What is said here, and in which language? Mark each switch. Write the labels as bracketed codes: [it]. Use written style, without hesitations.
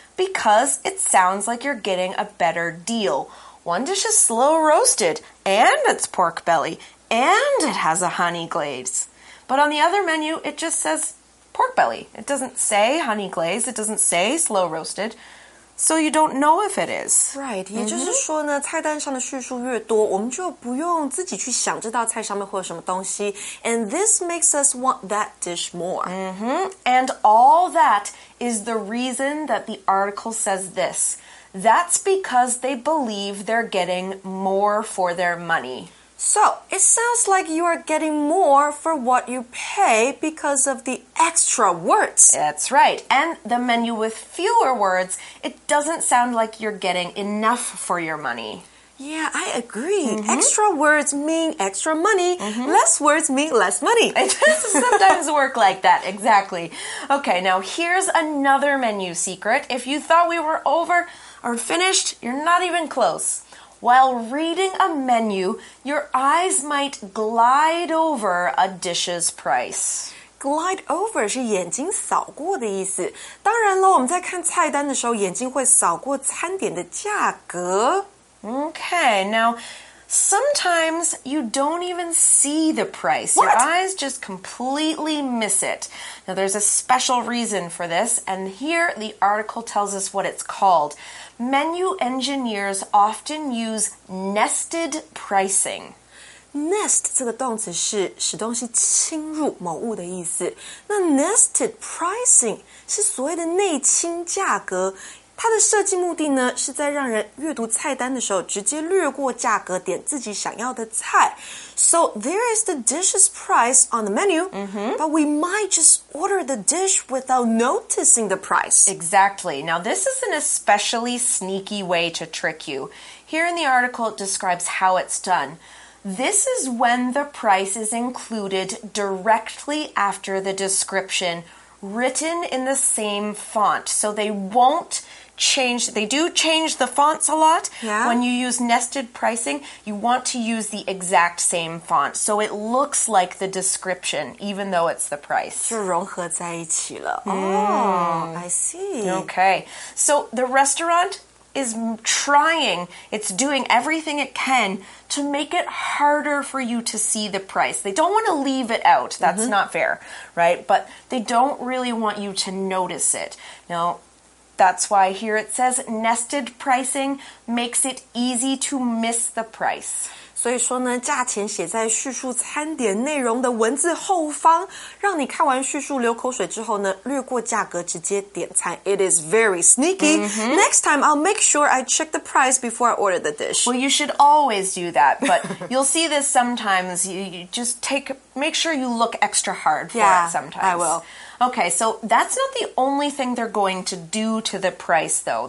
[en] Because it sounds like you're getting a better deal. One dish is slow roasted, and it's pork belly, and it has a honey glaze. But on the other menu, it just says pork belly. It doesn't say honey glaze, it doesn't say slow roasted, so you don't know if it is. [zh] Right, 也就是说呢，菜单上的叙述越多，我们就不用自己去想这道菜上面会有什么东西。 [en] And this makes us want that dish more. And all that... is the reason that the article says this. That's because they believe they're getting more for their money. So, it sounds like you are getting more for what you pay because of the extra words. That's right. And the menu with fewer words, it doesn't sound like you're getting enough for your money. Yeah, I agree. Extra words mean extra money. Less words mean less money. It does sometimes work like that, exactly. Okay, now here's another menu secret. If you thought we were over or finished, you're not even close. While reading a menu, your eyes might glide over a dish's price. [zh] Glide over 是眼睛扫过的意思。当然了，我们在看菜单的时候，眼睛会扫过餐点的价格。 [en] Okay, now, sometimes you don't even see the price. What? Your eyes just completely miss it. Now, there's a special reason for this, and here the article tells us what it's called. Menu engineers often use nested pricing. [zh] Nest 这个动词是使东西侵入某物的意思。那 nested pricing 是所谓的内侵价格。它的设计目的呢，是在让人阅读菜单的时候直接略过价格，点自己想要的菜。 [en] So there is the dish's price on the menu,、 mm-hmm. but we might just order the dish without noticing the price. Exactly. Now this is an especially sneaky way to trick you. Here in the article, it describes how it's done. This is when the price is included directly after the description, written in the same font. So they won't change, they do change the fonts a lot. Yeah. When you use nested pricing, you want to use the exact same font. So it looks like the description, even though it's the price. [zh] 就融合在一起了。 [en] Oh, I see. Okay, so the restaurant... is trying, it's doing everything it can to make it harder for you to see the price. They don't want to leave it out. That's、mm-hmm. not fair, right? But they don't really want you to notice it. Now, that's why here it says nested pricing makes it easy to miss the price. [zh] 所以说呢，价钱写在叙述餐点内容的文字后方，让你看完叙述流口水之后呢，略过价格直接点餐。 [en] It is very sneaky.、 Mm-hmm. Next time, I'll make sure I check the price before I order the dish. Well, you should always do that, but you'll see this sometimes. You just make sure you look extra hard for yeah, it sometimes. I will. Okay, so that's not the only thing they're going to do to the price, though.